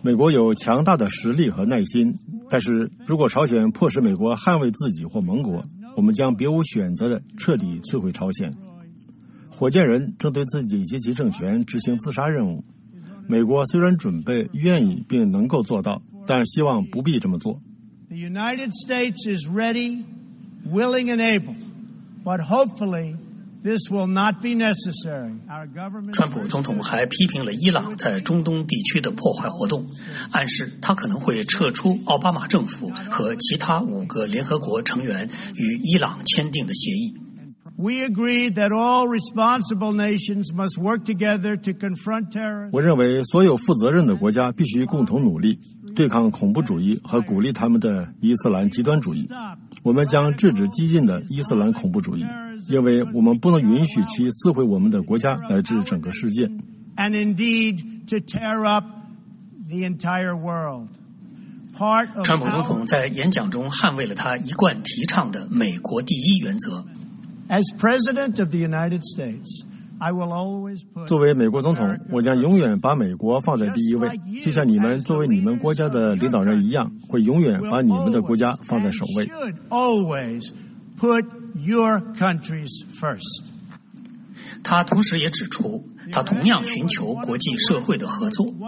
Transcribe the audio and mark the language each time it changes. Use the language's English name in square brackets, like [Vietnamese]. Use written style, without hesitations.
[Chinese] 美国有强大的实力和耐心，但是如果朝鲜迫使美国捍卫自己或盟国，我们将别无选择的彻底摧毁朝鲜。火箭人正对自己及其政权执行自杀任务。美国虽然准备、愿意并能够做到，但希望不必这么做。 [English] The United States is ready, willing and able, but hopefully this will not be necessary. [Chinese] 川普总统还批评了伊朗在中东地区的破坏活动，暗示他可能会撤出奥巴马政府和其他五个联合国成员与伊朗签订的协议。 [English] We agree that all responsible nations must work together to confront terrorism. [Chinese] 我认为所有负责任的国家必须共同努力对抗恐怖主义和鼓励他们的伊斯兰极端主义。我们将制止激进的伊斯兰恐怖主义，因为我们不能允许其撕毁我们的国家乃至整个世界。 [English] And indeed, to tear up the entire world. [Chinese] 川普总统在演讲中捍卫了他一贯提倡的美国第一原则。 [English] As President of the United States, I will always put [Chinese] 作为美国总统，我将永远把美国放在第一位，就像你们作为你们国家的领导人一样，会永远把你们的国家放在首位。 [English] Should always put your countries first. [Chinese] 他同时也指出，他同样寻求国际社会的合作。